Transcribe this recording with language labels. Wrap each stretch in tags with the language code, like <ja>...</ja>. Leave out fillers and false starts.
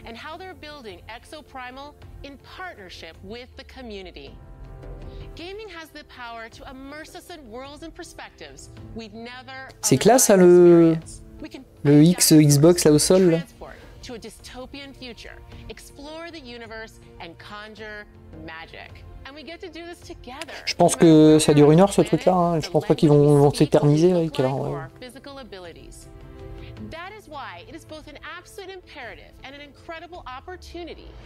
<en>And how they're building Exoprimal in partnership with the community. Gaming has the power to immerse us in worlds and perspectives we've never.</en> <fr>C'est classe ça, le Xbox là au sol là.</fr> <en>To a dystopian future, explore the universe and conjure magic. And we get to do this together.</en> <fr>Je pense que ça dure une heure ce truc là, hein. Je pense pas qu'ils vont s'éterniser avec là. Ouais.</fr> <en>That is why it is both an absolute imperative and an incredible opportunity.</en>